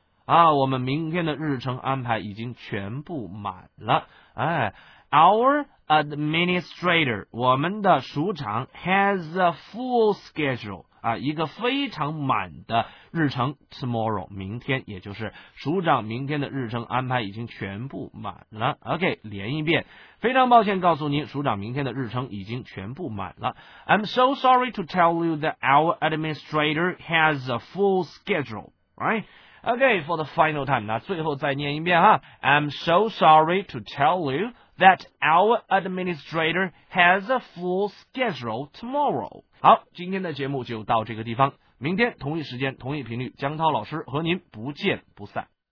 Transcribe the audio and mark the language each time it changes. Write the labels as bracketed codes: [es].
[zh] 啊，我们明天的日程安排已经全部满了哎 [en] Our administrator, [zh] 我们的署长 [en] has a full schedule, [zh] 啊，一个非常满的日程 tomorrow, 明天也就是署长明天的日程安排已经全部满了。OK, 连一遍。非常抱歉告诉您署长明天的日程已经全部满了。 [en] I'm so sorry to tell you that our administrator has a full schedule, right? Okay, for the final time, [zh] 那最后再念一遍哈。 [en] I'm so sorry to tell you that our administrator has a full schedule tomorrow. [zh] 好，今天的节目就到这个地方。明天同一时间，同一频率，江涛老师和您不见不散。